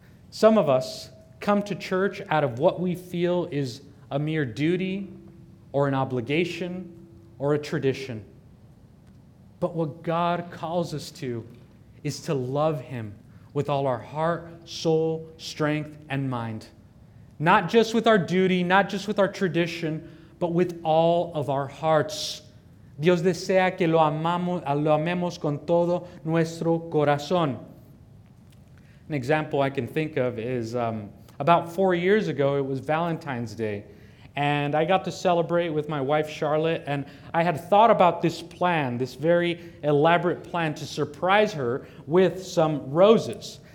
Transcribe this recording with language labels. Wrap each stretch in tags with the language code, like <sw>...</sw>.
<en>Some of us come to church out of what we feel is a mere duty or an obligation or a tradition. But what God calls us to is to love him with all our heart, soul, strength, and mind. Not just with our duty, not just with our tradition, but with all of our hearts.</en> <es>Dios desea que lo amemos con todo nuestro corazón.</es> <en>An example I can think of is about 4 years ago, it was Valentine's Day. And I got to celebrate with my wife, Charlotte, and I had thought about this plan, this very elaborate plan to surprise her with some roses.</en>